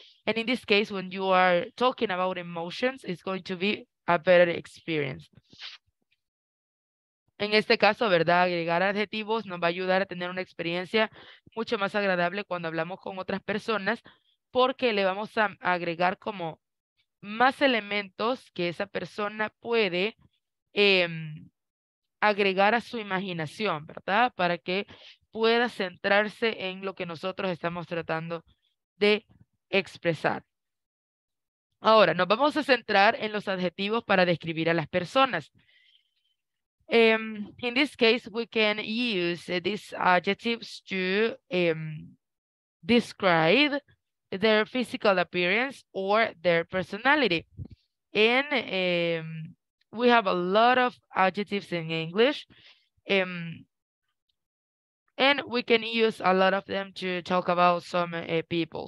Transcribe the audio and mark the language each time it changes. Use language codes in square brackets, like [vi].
[en] And in this case, when you are talking about emotions, it's going to be a better experience. [es] En este caso, ¿verdad? Agregar adjetivos nos va a ayudar a tener una experiencia mucho más agradable cuando hablamos con otras personas, porque le vamos a agregar como más elementos que esa persona puede agregar a su imaginación, ¿verdad? Para que pueda centrarse en lo que nosotros estamos tratando de expresar. Ahora, nos vamos a centrar en los adjetivos para describir a las personas. [en] In this case, we can use these adjectives to describe their physical appearance or their personality. We have a lot of adjectives in English, and we can use a lot of them to talk about some people.